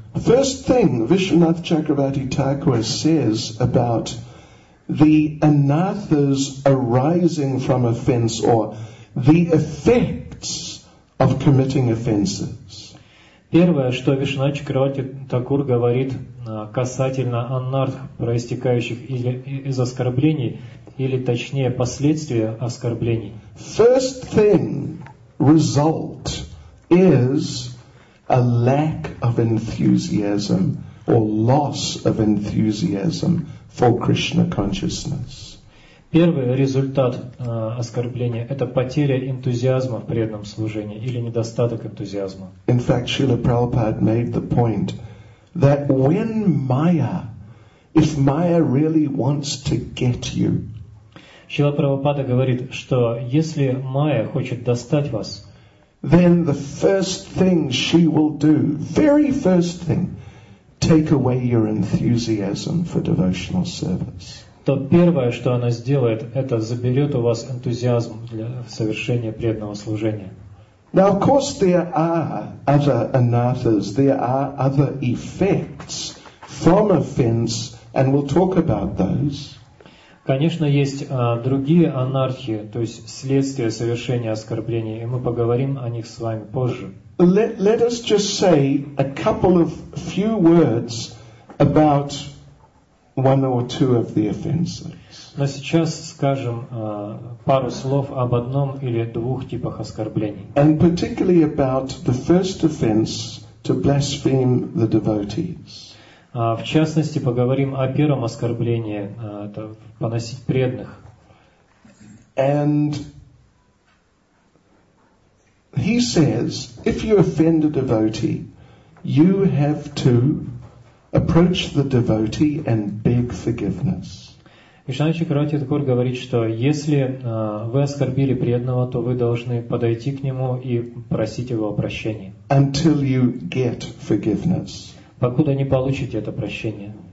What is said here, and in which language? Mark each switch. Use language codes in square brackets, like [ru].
[en] First thing Vishwanath Chakravarti Thakur says about the anathas arising from offense or the effects of committing offenses. [ru] Первое, что Вишванат Чакраварти Такур говорит касательно анарх, проистекающих из оскорблений, или точнее последствия оскорблений. [en] First thing, result, is a lack of enthusiasm or loss of enthusiasm for Krishna consciousness. [ru] Первый результат оскорбления это потеря энтузиазма в преданном служении или недостаток энтузиазма. [en] In fact, Srila Prabhupada made the point that when Maya, if Maya really wants to get you, [ru] Srila Prabhupada говорит, что если Майя хочет достать вас, [en] then the first thing she will do, very first thing, take away your enthusiasm for devotional service. [ru] То первое, что она сделает, это заберет у вас энтузиазм для совершения преданного служения. [en] Now, of course, there are other anathas, there are other effects from offense, and we'll talk about those. [ru] Конечно, есть другие анархии, то есть следствия совершения оскорблений, и мы поговорим о них с вами позже. [en] Let us just say a couple of few words about one or two of the offenses. [ru] Но сейчас скажем пару слов об одном или двух типах оскорблений. [en] And particularly about the first offense to blaspheme the devotees. [ru] В частности, поговорим о первом оскорблении, это поносить преданных. [en] And he says, if you offend a devotee, you have to approach the devotee and beg forgiveness. [ru] Вишванат Чакраварти Такур говорит, что если вы оскорбили преданного, то вы должны подойти к нему и просить его о прощении. [en] Until you get forgiveness. [ru] Покуда не получите это прощение.